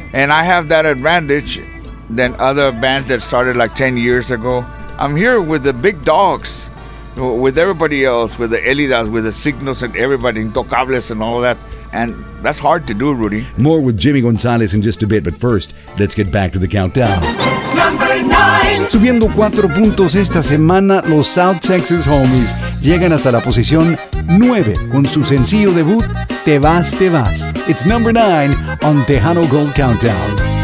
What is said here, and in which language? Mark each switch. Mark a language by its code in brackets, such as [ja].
[en] And I have that advantage than other bands that started like 10 years ago. I'm here with the big dogs, with everybody else, with the Elidas, with the Signos and everybody, Intocables and all that. And that's hard to do, Rudy. More with Jimmy Gonzalez in just a bit, but first, let's get back to the countdown. Number 9. [es] Subiendo 4 puntos esta semana, los South Texas Homies llegan hasta la posición 9 con su sencillo debut, Te Vas, Te Vas. [en] It's number 9 on Tejano Gold Countdown.